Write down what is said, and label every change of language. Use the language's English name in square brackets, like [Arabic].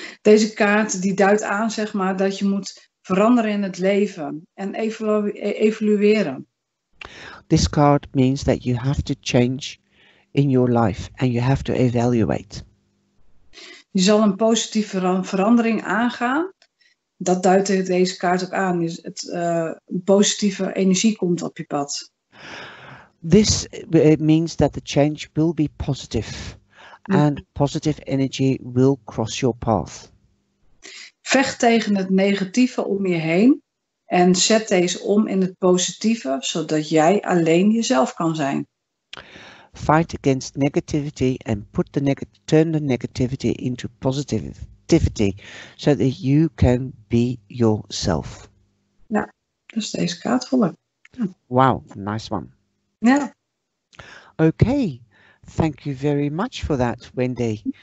[Dutch] Deze kaart die duidt aan, zeg maar, dat je moet veranderen in het leven en evolueren. [English] This card means that you have to change in your life and you have to evaluate. [Dutch] Je zal een positieve verandering aangaan. Dat duidt deze kaart ook aan. Het positieve energie komt op je pad. [English] This means that the change will be positive. And positive energy will cross your path. [Dutch] Vecht tegen het negatieve om je heen. En zet deze om in het positieve, zodat jij alleen jezelf kan zijn. [English] Fight against negativity and turn the negativity into positive. So that you can be yourself. [Dutch] Ja, dus deze kaart voor. [English] Wow, nice one. [Dutch] Ja. [English] Okay, thank you very much for that, Wendy.